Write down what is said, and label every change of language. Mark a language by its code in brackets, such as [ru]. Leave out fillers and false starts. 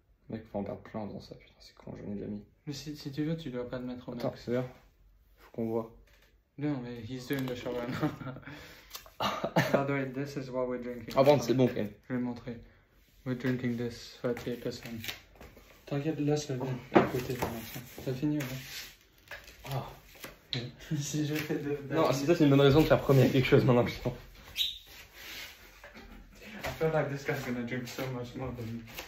[fr] Mec, faut en perdre plein dans ça, putain, c'est con, j'en ai déjà mis. Mais si tu veux, tu dois pas le mettre au max. Attends, c'est là. Faut qu'on voit. Non, mais [en] he's doing the shot right now. By the way, this is what we're drinking. [fr] Ah bon, c'est bon, Ken. Je vais montrer. [en] We're drinking this, [fr] 38%. T'inquiète, là, ça vient à côté. T'as fini, ouais. Oh. Si je fais deux... Non, c'est ça, c'est une bonne raison de faire premier quelque chose maintenant, putain. [en] I feel like this guy's gonna drink so much more than me.